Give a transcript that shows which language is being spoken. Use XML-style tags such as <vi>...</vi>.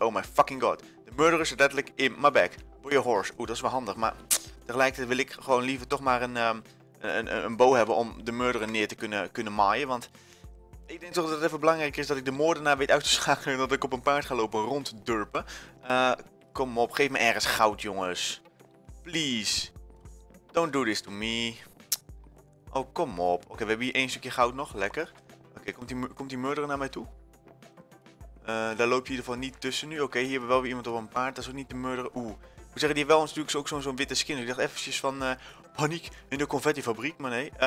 <en>Oh my fucking god.</en> <nl>De murderer is letterlijk</nl> <en>in my back. Boy your horse.</en> <nl>Oeh, dat is wel handig. Maar tegelijkertijd wil ik gewoon liever toch maar een bow hebben om de murderer neer te kunnen maaien. Want ik denk toch dat het even belangrijk is dat ik de moordenaar weet uit te schakelen. En dat ik op een paard ga lopen ronddurpen. Kom op, geef me ergens goud, jongens.</nl> <en>Please, don't do this to me.</en> <nl>Oh, kom op. Oké, we hebben hier één stukje goud nog. Lekker. Oké, komt die murderer naar mij toe? Daar loop je in ieder geval niet tussen nu. Oké, hier hebben we wel weer iemand op een paard. Dat is ook niet de murderer. Oeh. Ik moet zeggen, die heeft wel natuurlijk ook zo'n witte skin. Dus ik dacht eventjes van paniek in de confettifabriek. Maar nee.</nl>